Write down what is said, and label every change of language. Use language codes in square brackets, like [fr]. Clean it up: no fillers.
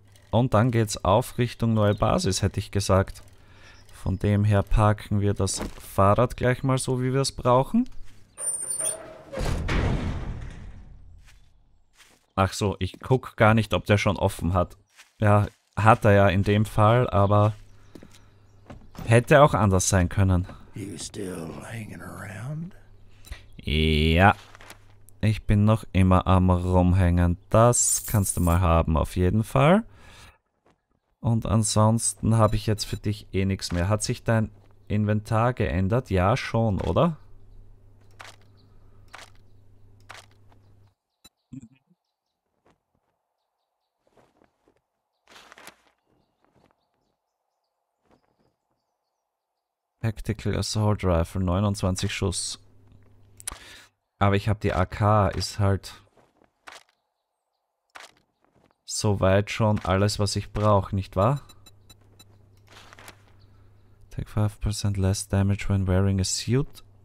[de] Und dann geht's auf Richtung neue Basis, hätte ich gesagt. Von dem her parken wir das Fahrrad gleich mal so, wie wir es brauchen. Ach so, ich guck gar nicht, ob der schon offen hat. Ja, hat er ja in dem Fall, aber hätte auch anders sein können. [en] You still hanging around? [de] Ja. Ich bin noch immer am Rumhängen. Das kannst du mal haben, auf jeden Fall. Und ansonsten habe ich jetzt für dich eh nichts mehr. Hat sich dein Inventar geändert? Ja, schon, oder? Tactical Assault Rifle, 29 Schuss. Aber ich habe die AK, ist halt soweit schon alles, was ich brauche, nicht wahr? [en] Take 5% less damage when wearing a suit.